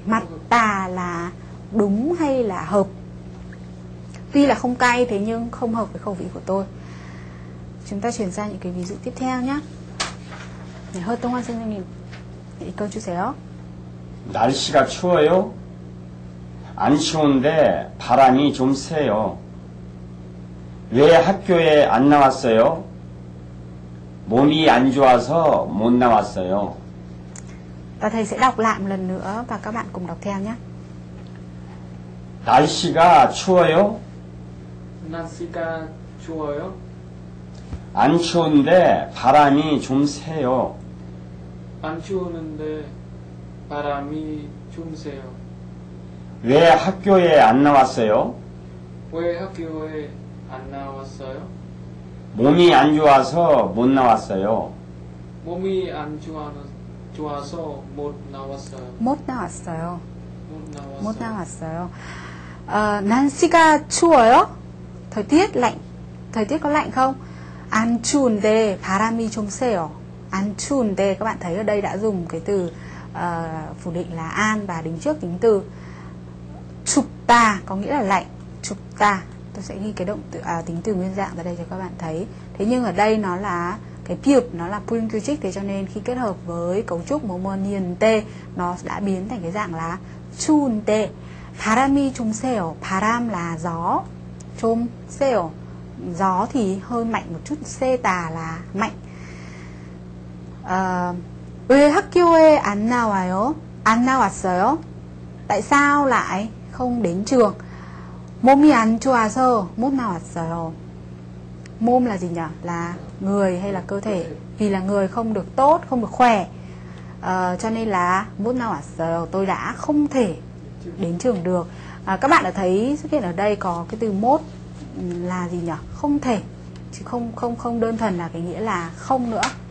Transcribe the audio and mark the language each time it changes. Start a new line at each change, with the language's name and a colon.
Vietnamese: Matta là đúng hay là hợp. Tuy là không cay thế nhưng không hợp với khẩu vị của tôi. Chúng ta chuyển sang những cái ví dụ tiếp theo nhé. Để hơi tông hoa xin xin mình. Để ý câu chú xé ó.
Korean: 날씨가 추워요? 안 추운데 바람이 좀 세요. 왜 학교에 안 나왔어요? 몸이 안 좋아서 못 나왔어요.
Vietnamese: Và thầy sẽ đọc lại một lần nữa và các bạn cùng đọc theo nhé.
Korean: 날씨가 추워요? 날씨가 추워요? 안 추운데 바람이 좀 세요. 안 추우는데 바람이 좀 세요. 왜 학교에 안 나왔어요? 왜 학교에 안 나왔어요? 몸이 안 좋아서 못 나왔어요. 몸이 안 좋아서 못 나왔어요. 못 나왔어요. 못 나왔어요. 날씨가 추워요?
Vietnamese: Thời tiết lạnh. Thời tiết có lạnh không?
Korean: 안 추운데 바람이 좀 세요. 안 추운데,
Vietnamese: các bạn thấy ở đây đã dùng cái từ phủ định là an và đính trước tính từ. 춥다 có nghĩa là lạnh.
Korean: 춥다.
Vietnamese: Tôi sẽ ghi cái động từ tính từ nguyên dạng ra đây cho các bạn thấy. Thế nhưng ở đây nó là cái piụt, nó là puncuchic, thế cho nên khi kết hợp với cấu trúc momo niente nó đã biến thành cái dạng là
Korean: 추운데 바람이 좀 세요.
Vietnamese: 바람 là gió, 좀 세요 gió thì hơi mạnh một chút, 세다 là mạnh.
Korean: 왜 학교에 안 나와요? 안 나왔어요?
Vietnamese: Tại sao lại không đến trường?
Korean: 몸이 안 좋아서 못 나왔어요.
Vietnamese: Mom là gì nhỉ? Là người hay là cơ thể? Vì là người không được tốt, không được khỏe, cho nên là mốt nào giờ tôi đã không thể đến trường được. Các bạn đã thấy xuất hiện ở đây có cái từ mốt là gì nhỉ? Không thể, chứ không không không đơn thuần là cái nghĩa là không nữa.